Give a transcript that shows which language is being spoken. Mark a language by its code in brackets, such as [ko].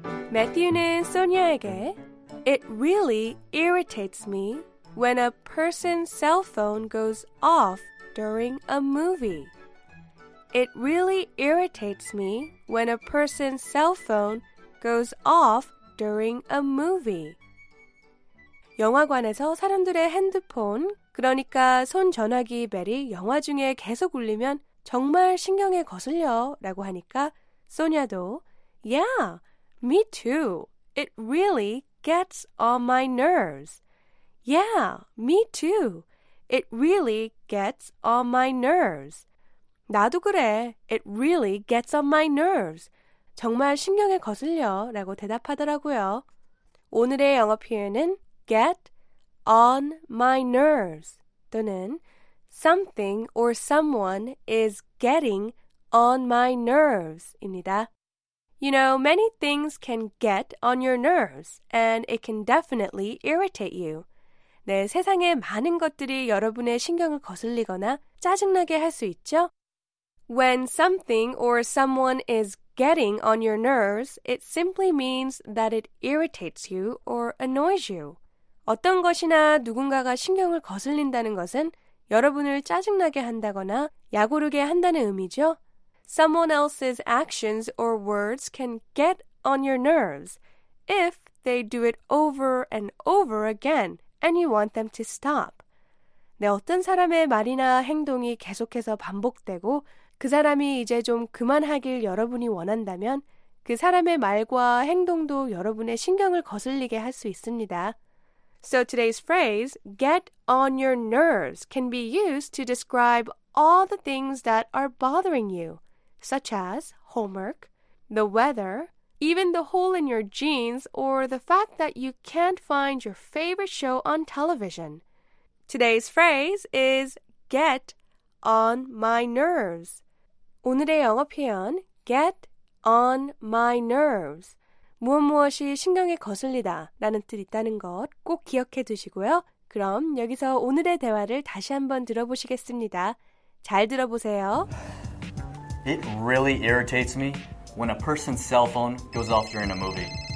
[ko] Matthew는 Sonia에게 [en] It really irritates me when a person's cell phone goes off during a movie. It really irritates me when a person's cell phone goes off during a movie. [ko] 영화관에서 사람들의 핸드폰, 그러니까 손전화기 벨이 영화 중에 계속 울리면 정말 신경에 거슬려 라고 하니까 소냐도 [en] Yeah, me too. It really gets on my nerves. Yeah, me too. It really gets on my nerves. [ko] 나도 그래. [en] It really gets on my nerves. [ko] 정말 신경에 거슬려 라고 대답하더라고요. 오늘의 영어 표현은 [en] get on my nerves [ko] 또는 [en] something or someone is getting on my nerves [ko] 입니다. [en] You know, many things can get on your nerves and it can definitely irritate you. [ko] 네, 세상에 많은 것들이 여러분의 신경을 거슬리거나 짜증나게 할 수 있죠? [en] When something or someone is getting on your nerves, it simply means that it irritates you or annoys you. [ko] 어떤 것이나 누군가가 신경을 거슬린다는 것은 여러분을 짜증나게 한다거나 야구르게 한다는 의미죠. [en] Someone else's actions or words can get on your nerves if they do it over and over again and you want them to stop. [ko] 네, 어떤 사람의 말이나 행동이 계속해서 반복되고 그 사람이 이제 좀 그만하길 여러분이 원한다면 그 사람의 말과 행동도 여러분의 신경을 거슬리게 할 수 있습니다. [en] So today's phrase, get on your nerves, can be used to describe all the things that are bothering you, such as homework, the weather, even the hole in your jeans, or the fact that you can't find your favorite show on television. Today's phrase is get on my nerves. [ko] 오늘의 영어 표현, get on my nerves. 무엇무엇이 신경에 거슬리다 라는 뜻 있다는 것 꼭 기억해 두시고요. 그럼 여기서 오늘의 대화를 다시 한번 들어보시겠습니다. 잘 들어보세요. [en] It really irritates me when a person's cell phone goes off during a movie.